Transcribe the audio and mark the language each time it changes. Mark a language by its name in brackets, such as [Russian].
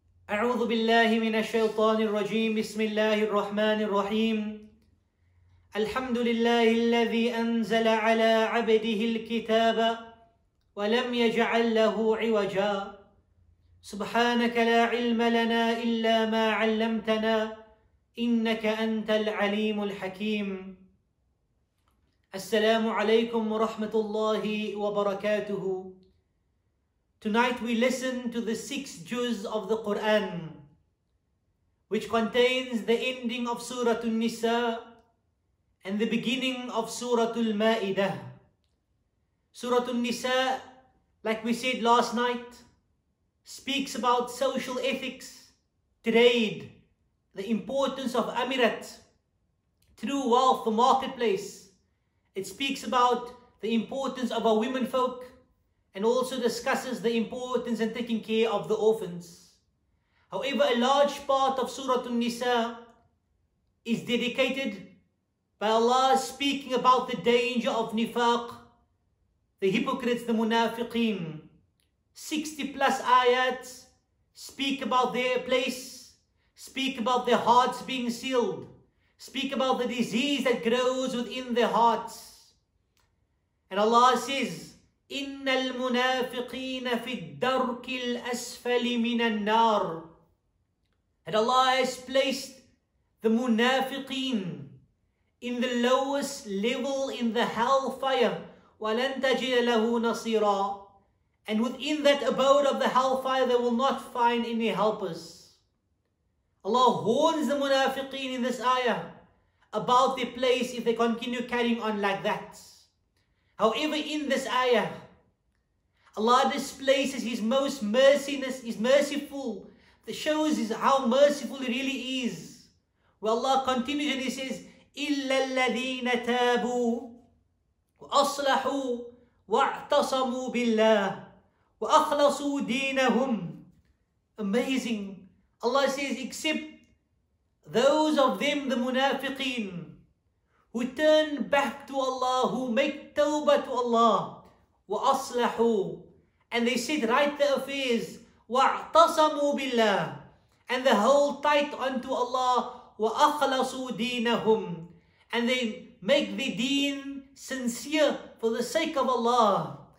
[Arabic] أعوذ بالله من الشيطان الرجيم بسم الله الرحمن الرحيم الحمد لله الذي أنزل على عبده الكتاب ولم يجعل له عوجا سبحانك لا علم لنا إلا ما علمتنا إنك أنت العليم الحكيم السلام عليكم ورحمة الله وبركاته. [English] Tonight we listen to the six juz of the Qur'an, which contains the ending of Surah An-Nisa and the beginning of Surah Al-Ma'idah. Surah An-Nisa, like we said last night, speaks about social ethics, trade, the importance of amirat, true wealth, the marketplace. It speaks about the importance of our women folk, and also discusses the importance in taking care of the orphans. However, a large part of Surah An-Nisa is dedicated by Allah speaking about the danger of nifaq, the hypocrites, the munafiqeen. 60 plus ayats speak about their place, speak about their hearts being sealed, speak about the disease that grows within their hearts. And Allah says, [Arabic] إِنَّ الْمُنَافِقِينَ فِي الدَّرْكِ الْأَسْفَلِ مِنَ النَّارِ. [English] And Allah has placed the munafiqeen in the lowest level in the hellfire. [Arabic] وَلَن تَجِدَ لَهُ نَصِيرًا. [English] And within that abode of the hellfire, they will not find any helpers. Allah warns the munafiqeen in this ayah about their place if they continue carrying on like that. However, in this ayah, Allah displays His most merciness, His merciful, that shows His how merciful He really is. Where Allah continues and He says, [Arabic] إِلَّا الَّذِينَ تَابُوا وَأَصْلَحُوا وَاعْتَصَمُوا بِاللَّهِ وَأَخْلَصُوا دِينَهُمْ. [English] Amazing. Allah says, except those of them, the munafiqeen, who turn back to Allah, who make tawbah to Allah, وَأَصْلَحُوا, and they set right the affairs, [Arabic] وَاعْتَصَمُوا بِاللَّهِ, [English] and they hold tight unto Allah, [Arabic] وَأَخْلَصُوا دِينَهُمْ, [English] and they make the deen sincere for the sake of Allah.